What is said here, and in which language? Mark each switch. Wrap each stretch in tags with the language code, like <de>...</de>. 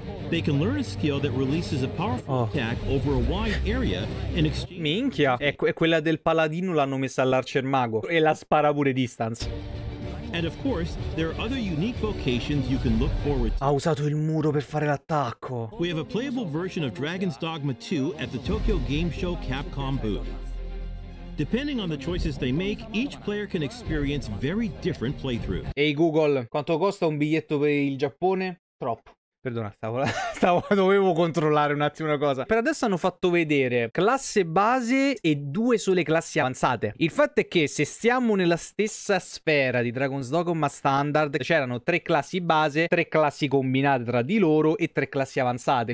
<en>They can learn a skill that releases a powerful attack over a wide area in exchange.</en> <it>Minchia, è quella del paladino, l'hanno messa all'arcer mago e la spara pure distance.</it> <en>And of course, there are other unique vocations you can look forward to.</en> <it>Ha usato il muro per fare l'attacco.</it> <en>We have a playable version of Dragon's Dogma 2 at the Tokyo Game Show Capcom booth. Depending on the choices they make, each player can experience very different playthrough.</en> <it>Ehi Google, quanto costa un biglietto per il Giappone? Troppo. Perdona, dovevo controllare un attimo una cosa. Per adesso hanno fatto vedere classe base e due sole classi avanzate. Il fatto è che se stiamo nella stessa sfera di Dragon's Dogma Standard, c'erano tre classi base, tre classi combinate tra di loro e tre classi avanzate.</it>